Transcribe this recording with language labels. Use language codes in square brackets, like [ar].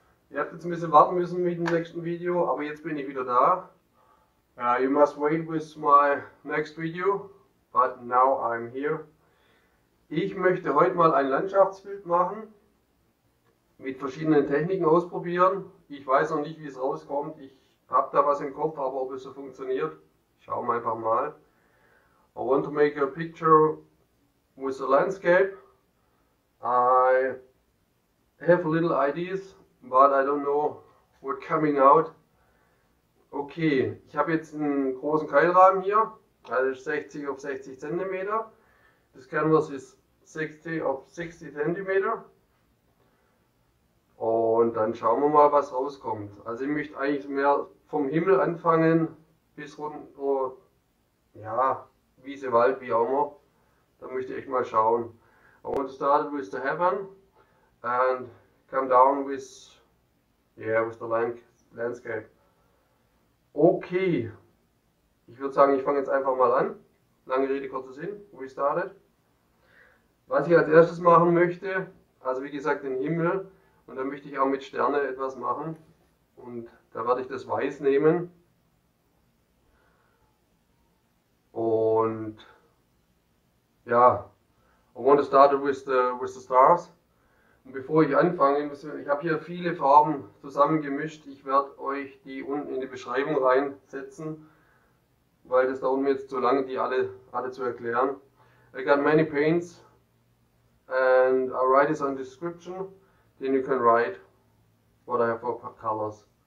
[de] Ihr habt jetzt ein bisschen warten müssen mit dem nächsten Video, aber jetzt bin ich wieder da. [en] You must wait with my next video, but now I'm here. [de] Ich möchte heute mal ein Landschaftsbild machen, mit verschiedenen Techniken ausprobieren. Ich weiß noch nicht, wie es rauskommt. Ich habe da was im Kopf, aber ob es so funktioniert, schauen wir einfach mal. [en] I want to make a picture with a landscape. I have a little ideas, but I don't know what coming out. [de] Okay, ich habe jetzt einen großen Keilrahmen hier, also 60 auf 60 cm. Das Canvas ist 60 auf 60 cm. Und dann schauen wir mal, was rauskommt. Also ich möchte eigentlich mehr vom Himmel anfangen, bis runter, ja, Wiese, Wald, wie auch immer. Da möchte ich echt mal schauen. [en] I want to start with the heaven. And come down with the landscape. [de] Okay, ich würde sagen, ich fange jetzt einfach mal an. Lange Rede, kurzer Sinn, [en] we started. [de] Was ich als erstes machen möchte, also wie gesagt, den Himmel, und dann möchte ich auch mit Sterne etwas machen. Und da werde ich das Weiß nehmen. Und ja, [en] I want to start with the stars. [de] Und bevor ich anfange, ich habe hier viele Farben zusammengemischt. Ich werde euch die unten in die Beschreibung reinsetzen, weil das dauert mir jetzt zu lange, die alle zu erklären. [en] I got many paints and I write this on description, then you can write what I have for colors.